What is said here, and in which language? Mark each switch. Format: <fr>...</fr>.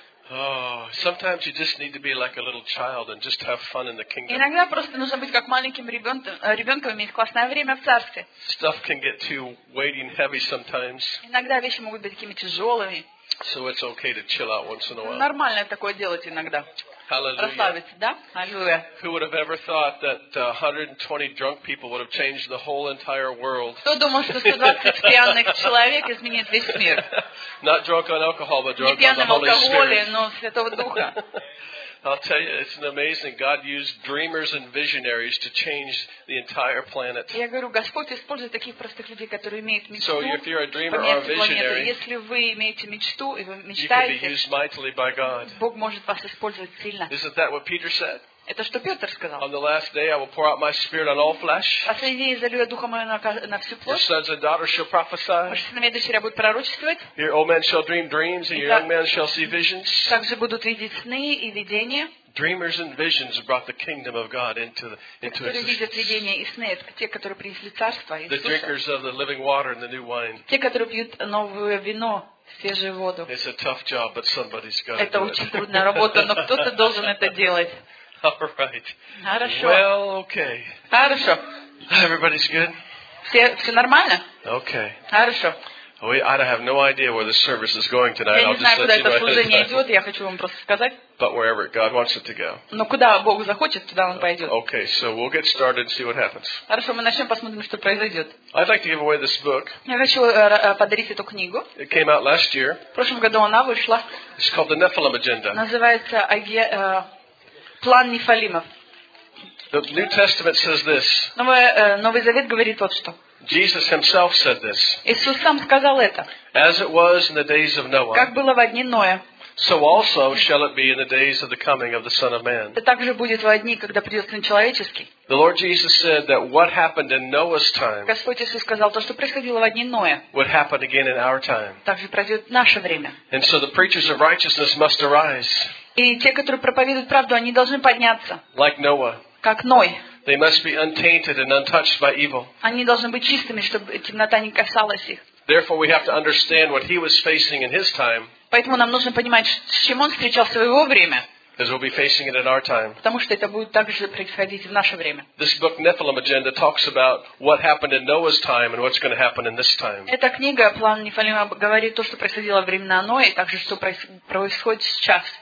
<en>Oh, sometimes you just need to be like a little child and just have fun in the kingdom.</en> <ru>Иногда просто нужно быть как маленьким ребенком и иметь классное время в царстве.</ru> <en>Stuff can get too weighty and heavy sometimes.</en> <ru>Иногда вещи могут быть такими тяжелыми.</ru> <en>So it's okay to chill out once in a while.</en> <ru>Нормально такое делать иногда.</ru> <en>Hallelujah.</en> <ru>Расслабиться, да? Аллилуйя.</ru> <en>Who would have ever thought that 120 drunk people would have changed the whole entire world?</en> <ru>Кто думал, что 120 пьяных человек изменит весь мир?</ru> <en>Not drunk on alcohol, but drunk on the Holy Spirit.</en> <ru>Не пьяным алкоголем, но Святого Духа.</ru> <en>I'll tell you, it's an amazing. God used dreamers and visionaries to change the entire planet.</en> <ru>Я говорю, Господь использует таких простых людей, которые имеют мечту.</ru> <en>So if you're a dreamer or a visionary,</en> <ru>если вы имеете мечту и вы мечтаете,</ru> <en>you can be used mightily by God.</en> <ru>Бог может вас использовать сильно.</ru> <en>Isn't that what Peter said?</en> <ru>Это что Петр сказал?</ru> <en>On the last day, I will pour out my spirit on all flesh.</en> <ru>Последний день залью я духа моего на всю плоть.</ru> <en>Your sons and daughters shall prophesy.</en> <ru>Ваши сыновья и дочери будут пророчествовать.</ru> <en>Your old men shall dream dreams, and your young men shall see visions.</en> <ru>Также будут видеть сны и видения.</ru> <en>Dreamers and visions brought the kingdom of God into existence.</en> <ru>Те, которые видят видения и сны, это те, которые принесли царство Иисуса.</ru> <en>The drinkers of the living water and the new wine.</en> <ru>Те, которые пьют новое вино. Свежую воду.</ru> <en>It's a tough job, but somebody's got to do it.</en> <ru>Это очень трудная работа, но кто-то должен это делать.</ru> <en>All right. Well, okay.</en> <ru>Хорошо.</ru> <en>Everybody's good?</en> <ru>Все нормально?</ru> <en>Okay.</en> <ru>Хорошо.</ru> <en>I have no idea where the service is going tonight. I'll just let you know.</en> <ru>Я не знаю, куда это служение идет. Я хочу вам просто сказать.</ru> <en>But wherever God wants it to go.</en> <ru>Но куда Бог захочет, туда он пойдет.</ru> <en>Okay, so we'll get started and see what happens.</en> <ru>Хорошо, мы начнем, посмотрим, что произойдет.</ru> <en>I'd like to give away this book.</en> <ru>Я хочу подарить эту книгу.</ru> <en>It came out last year.</en> <ru>В прошлом году она вышла.</ru> <en>It's called the Nephilim Agenda.</en> <ru>Называется Агия. План Нефалимов.</ru> <en>The New Testament says this.</en> <ru>Новый Завет говорит вот что.</ru> <en>Jesus himself said this.</en> <ru>Иисус сам сказал это.</ru> <en>As it was in the days of Noah.</en> <ru>Как было во дни Ноя.</ru> <en>So also shall it be in the days of the coming of the Son of Man.</en> <ru>Это также будет во дни, когда придет Сын Человеческий.</ru> <en>The Lord Jesus said that what happened in Noah's time.</en> <ru>Господь Иисус сказал то, что происходило во дни Ноя.</ru> <en>Would happen again in our time.</en> <ru>Также произойдет в наше время.</ru> <en>And so the preachers of righteousness must arise.</en> <ru>И те, которые проповедуют правду, они должны подняться.</ru> <en>Like Noah.</en> <ru>Как Ной.</ru> <en>They must be untainted and untouched by evil.</en> <ru>Они должны быть чистыми, чтобы темнота не касалась их.</ru> <en>Therefore, we have to understand what he was facing in his time.</en> <ru>Поэтому нам нужно понимать, с чем он встречался в его время.</ru> <en>As we'll be facing it in our time.</en> <ru>Потому что это будет также происходить в наше время.</ru> <en>This book, Nephilim Agenda, talks about what happened in Noah's time and what's going to happen in this time.</en> <ru>Эта книга «План Нефалима» говорит то, что происходило в времена Ноя, и также что происходит сейчас.</ru>